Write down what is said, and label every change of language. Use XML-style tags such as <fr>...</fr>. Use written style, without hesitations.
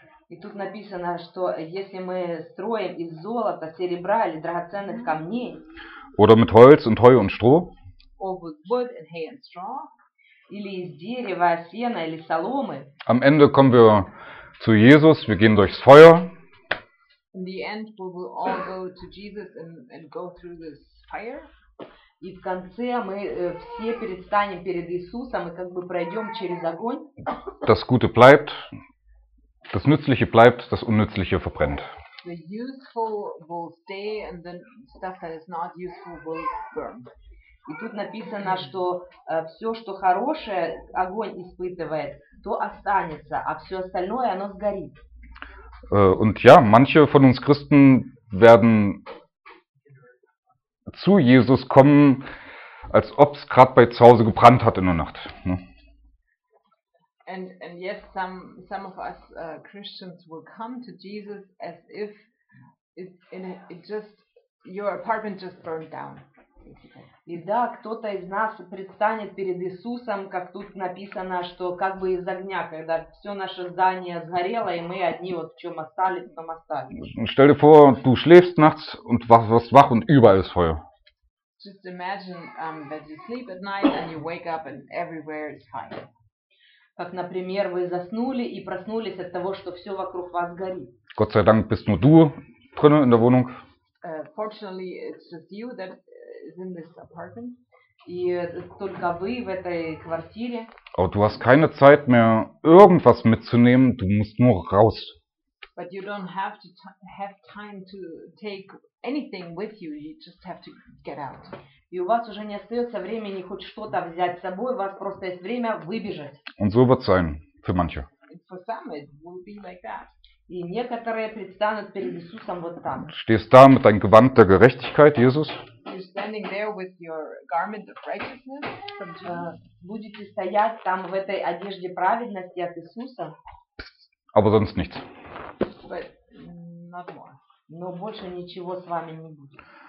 <ru>И тут написано, что если мы строим из золота, серебра или драгоценных камней,</ru> <de>oder mit Holz und Heu und Stroh,</de> <en>or with wood and hay and straw,</en> <ru>или из дерева, сена или соломы,</ru> <de>am Ende kommen wir zu Jesus, wir gehen durchs Feuer,</de> <en>in the end we will all go to Jesus and go through this fire.</en> <ru>И в конце мы все предстанем перед Иисусом и как бы пройдем через огонь.</ru> <de>Das Gute bleibt, das Nützliche bleibt, das Unnützliche verbrennt.</de> <en>The useful will stay and the stuff that is not useful will burn.</en> <ru>И тут написано, что все, что хорошее, огонь испытывает, то останется, а все остальное, оно сгорит.</ru> <de>Und ja, manche von uns Christen werden zu Jesus kommen, als ob es gerade bei zu Hause gebrannt hat in der Nacht.</de> <en>And yes, some of us Christians will come to Jesus as if your apartment just burned down.</en> <ru>И да, кто-то из нас предстанет перед Иисусом, как тут написано, что как бы из огня, когда все наше здание сгорело, и мы одни вот в чем остались, в том остались.</ru> <de>Stell dir vor, du schläfst nachts und wachst wach und überall ist Feuer.</de> <en>Just imagine that you sleep at night and you wake up and everywhere is fire.</en> <ru>Как, например, вы заснули и проснулись от того, что все вокруг вас горит.</ru> <de>Gott sei Dank bist nur du drin in der Wohnung.</de> <en>Fortunately, it's just you that is in this apartment.</en> <ru>И только вы в этой квартире.</ru> <de>Aber du hast keine Zeit mehr, irgendwas mitzunehmen. Du musst nur raus.</de> <en>But you don't have to have time to take anything with you. You just have to get out.</en> <ru>И у вас уже не остается времени хоть что-то взять с собой. У вас просто есть время выбежать.</ru> <de>Und so wird es sein für manche.</de> <en>For some it will be like that.</en> <ru>И некоторые предстанут перед Иисусом вот там.</ru> <de>Stehst da mit deinem Gewand der Gerechtigkeit, Jesus?</de> <en>You're standing there with your garment of righteousness from Jesus.</en> <ru>Будете стоять там в этой одежде праведности от Иисуса?</ru> <de>Aber sonst nichts.</de> <en>But not more.</en> <ru>Но больше ничего с вами не будет.</ru>